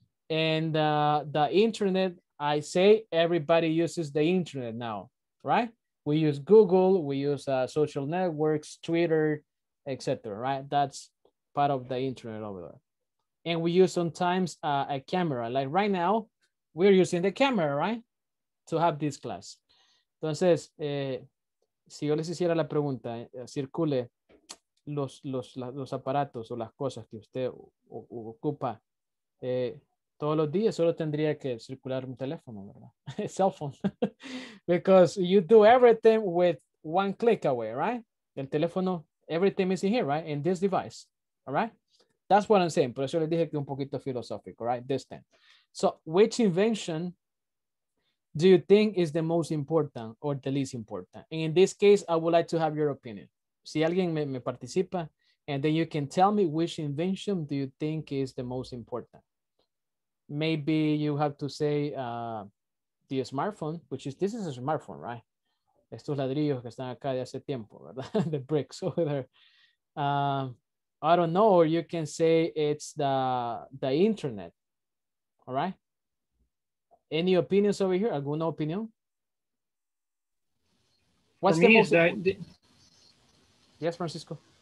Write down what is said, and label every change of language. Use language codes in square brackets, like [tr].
[en] And the internet, I say everybody uses the internet now, right? We use Google, we use social networks, Twitter, etc., right? That's part of the internet over there. And we use sometimes a camera. Like right now, we're using the camera, right? To have this class. [es] Entonces, si yo les hiciera la pregunta, circule los aparatos o las cosas que usted ocupa, todos los días solo tendría que circular un teléfono, ¿verdad? [en] Cell phone. Because you do everything with one click away, right? [es] El teléfono, [en] everything is in here, right? In this device, all right? That's what I'm saying. [es] Por eso les dije que un poquito filosófico, right? [en] This thing. So which invention do you think is the most important or the least important? And in this case, I would like to have your opinion. [es] Si alguien me participa, [en] and then you can tell me which invention do you think is the most important. Maybe you have to say the smartphone, which is, this is a smartphone, right? [es] Estos ladrillos que están acá de hace tiempo, ¿verdad? [en] The bricks over there. I don't know, or you can say it's the internet, all right? Any opinions over here? [es] ¿Alguna opinion? [en] What's for me the most the, yes, Francisco?